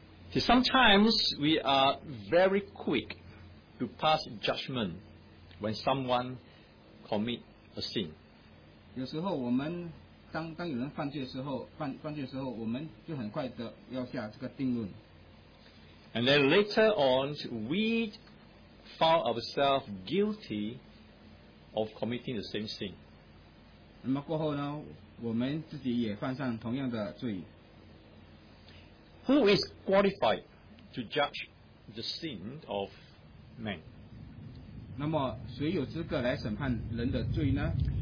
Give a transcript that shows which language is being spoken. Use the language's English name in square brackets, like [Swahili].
[English] See, sometimes we are very quick to pass judgment when someone commit a sin. [Chinese] 有时候我们当有人犯罪的时候，我们就很快的要下这个定论。 [English] And then later on, we found ourselves guilty of committing the same sin. [Chinese] 那么过后呢，我们自己也犯上同样的罪。 [English] Who is qualified to judge the sin of man? [Chinese] 那么谁有资格来审判人的罪呢？